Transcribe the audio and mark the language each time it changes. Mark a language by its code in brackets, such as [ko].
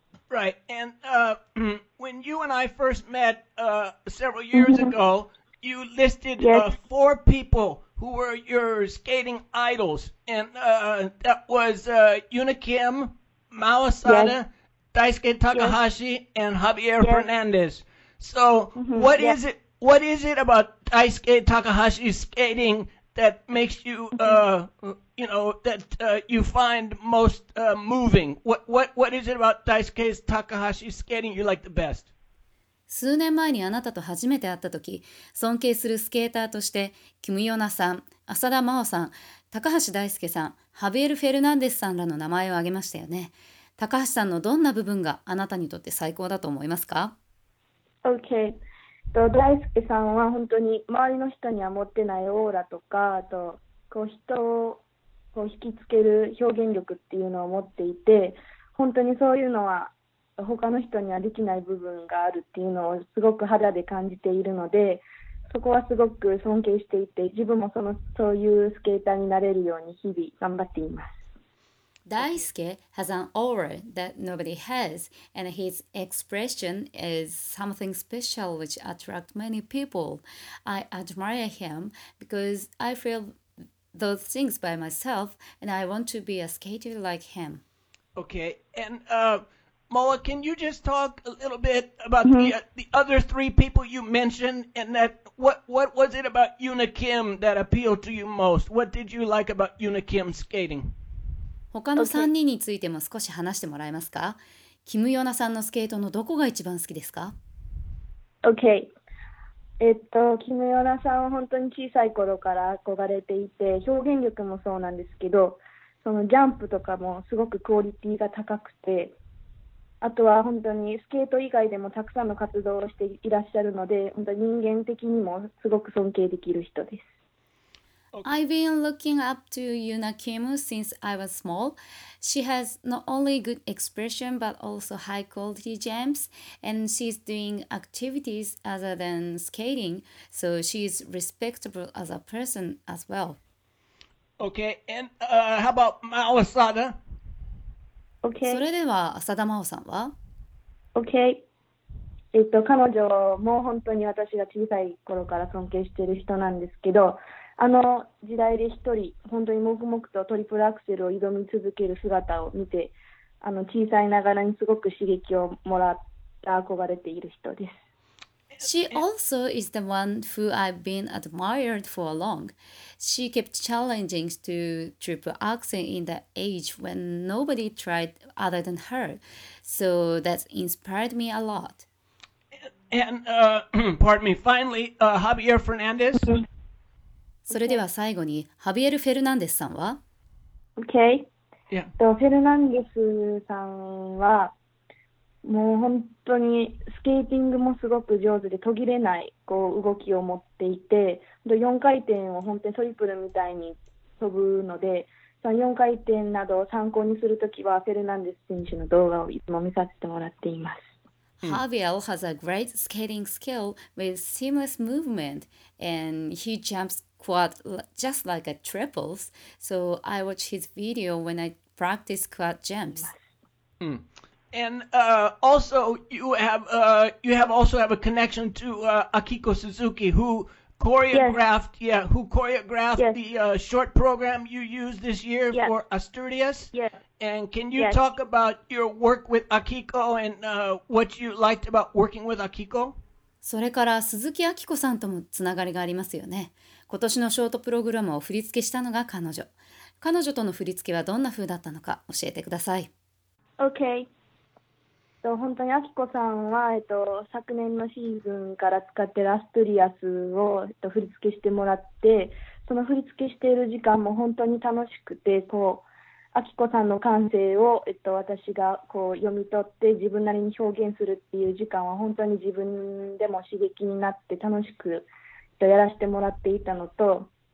[en] Right, and when you and I first met several years ago, you listed four people who were your skating idols, and that was Yuna Kim, Mao Asada, Daisuke Takahashi, and Javier Fernandez. So, what is it? What is it about Daisuke Takahashi's skating that makes you, you know, that you find most moving? What is it about Daisuke Takahashi's skating you like the best? [ja] 数年前にあなたと初めて会った時、尊敬するスケーターとしてキム・ヨナさん、浅田真央さん、高橋大輔さん、ハビエル・フェルナンデスさんらの名前を挙げましたよね。高橋さんのどんな部分があなたにとって最高だと思いますか？ [en] OK。 [ja] 大輔さんは本当に周りの人には持ってないオーラとか、あとこう人をこう引きつける表現力っていうのを持っていて、本当にそういうのは他の人にはできない部分があるっていうのをすごく肌で感じているので、そこはすごく尊敬していて、自分もそういうスケーターになれるように日々頑張っています。 [en] Daisuke has an aura that nobody has, and his expression is something special which attracts many people. I admire him because I feel those things by myself, and I want to be a skater like him. Okay, and Moa, can you just talk a little bit about the other three people you mentioned, and that what was it about Yuna Kim that appealed to you most? What did you like about Yuna Kim's skating? [ja] 他の3人についても少し話してもらえますか？キム・ヨナさんのスケートのどこが一番好きですか？ [en] OK。 [ja] キム・ヨナさんは本当に小さい頃から憧れていて、表現力もそうなんですけど、そのジャンプとかもすごくクオリティが高くて、あとは本当にスケート以外でもたくさんの活動をしていらっしゃるので、本当に人間的にもすごく尊敬できる人です。 [en] Okay. I've been looking up to Yuna Kim since I was small. She has not only good expression but also high quality jumps, and she's doing activities other than skating, so she's respectable as a person as well. Okay, and how about Mao Asada? Okay. [ja] それでは浅田真央さんは？ [en] Okay. [ja] 彼女も本当に私が小さい頃から尊敬している人なんですけど、あの時代で一人本当に黙々とトリプルアクセルを挑み続ける姿を見て、あの小さいながらにすごく刺激をもらった憧れている人です。 [en] She also is the one who I've been admired for long. She kept challenging to triple axel in the age when nobody tried other than her, so that inspired me a lot. And pardon me, finally, Javier Fernandez. [ja] それでは最後にハビエル・フェルナンデスさんは？ [en] OK、 yeah. [ja] フェルナンデスさんはもう本当にスケーティングもすごく上手で、途切れないこう動きを持っていて、4回転を本当にトリプルみたいに飛ぶので、その4回転などを参考にするときはフェルナンデス選手の動画をいつも見させてもらっています。 [en] Javier has a great skating skill with seamless movement, and he jumps quad just like a triples. So I watch his video when I practice quad jumps. And also, you have a connection to Akiko Suzuki, who choreographed the short program you used this year for Asturias. Yeah. And can you talk about your work with Akiko and what you liked about working with Akiko? [ja] それから鈴木あきこさんともつながりがありますよね。今年のショートプログラムを振り付けしたのが彼女。彼女との振り付けはどんな風だったのか教えてください。 [en] Okay. [ja] 本当にあきこさんは昨年のシーズンから使っているアストリアスを振り付けしてもらって、その振り付けしている時間も本当に楽しくて、こう、アキコさんの感性を私がこう読み取って自分なりに表現するっていう時間は本当に自分でも刺激になって楽しくやらせてもらっていたのと、